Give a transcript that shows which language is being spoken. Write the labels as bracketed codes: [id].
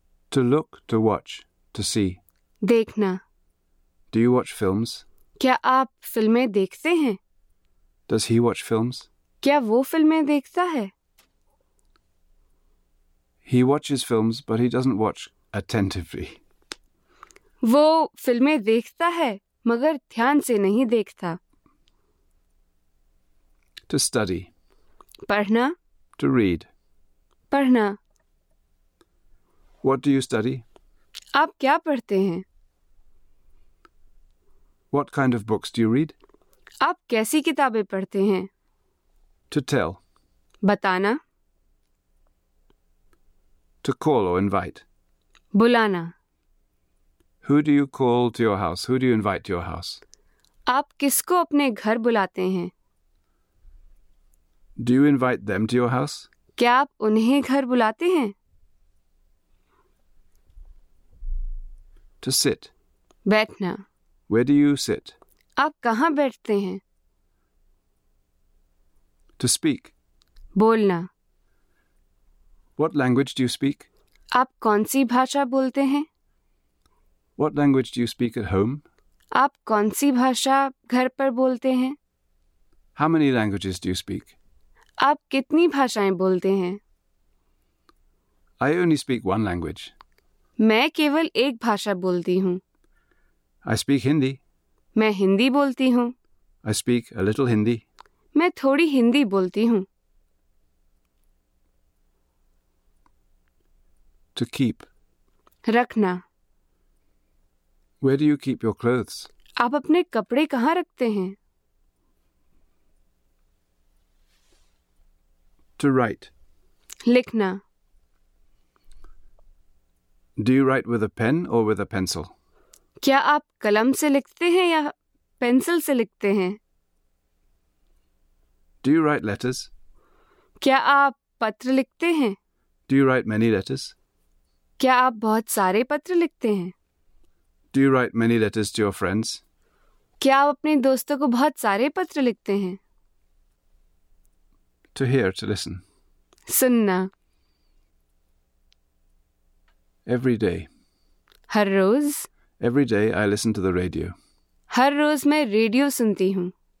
[en] To look, to watch, to see. [hi] देखना. [en] Do you watch films? [hi] क्या आप फिल्में देखते हैं? [en] Does he watch films? [hi] क्या वो फिल्में देखता है? [en] He watches films, but he doesn't watch attentively. [hi] वो फिल्में देखता है, मगर ध्यान से नहीं देखता. [en] To study. [hi] पढ़ना. [en] To read. [hi] पढ़ना. [en] What do you study? [hi] आप क्या पढ़ते हैं? [en] What kind of books do you read? [hi] आप कैसी किताबें पढ़ते हैं? [en] To tell. [hi] बताना. [en] To call or invite. [hi] बुलाना. [en] Who do you call to your house? Who do you invite to your house? [hi] आप किसको अपने घर बुलाते हैं? [en] Do you invite them to your house? [hi] क्या आप उन्हें घर बुलाते हैं? [en] To sit. [hi] बैठना. [en] Where do you sit? [hi] आप कहाँ बैठते हैं? [en] To speak. [hi] बोलना. [en] What language do you speak? [hi] आप कौन सी भाषा बोलते हैं? [en] What language do you speak at home? [hi] आप कौन सी भाषा घर पर बोलते हैं? [en] How many languages do you speak? [hi] आप कितनी भाषाएं बोलते हैं? [en] I only speak one language. [hi] मैं केवल एक भाषा बोलती हूँ. [en] I speak Hindi. [hi] मैं हिंदी बोलती हूँ. [en] I speak a little Hindi. [hi] मैं थोड़ी हिंदी बोलती हूँ. [en] To keep. [hi] रखना. [en] Where do you keep your clothes? [hi] आप अपने कपड़े कहाँ रखते हैं? [en] To write. [hi] लिखना. [en] Do you write with a pen or with a pencil? [hi] क्या आप कलम से लिखते हैं या पेंसिल से लिखते हैं? [en] Do you write letters? [hi] क्या आप पत्र लिखते हैं? [en] Do you write many letters? [hi] क्या आप बहुत सारे पत्र लिखते हैं? [en] Do you write many letters to your friends? [hi] क्या आप अपने दोस्तों को बहुत सारे पत्र लिखते हैं? [en] To hear, to listen. [hi] सुनना. [en] Every day. [hi] हर rose. [en] Every day I listen to the radio. [hi] हर रोज मैं रेडियो सुनती हूँ.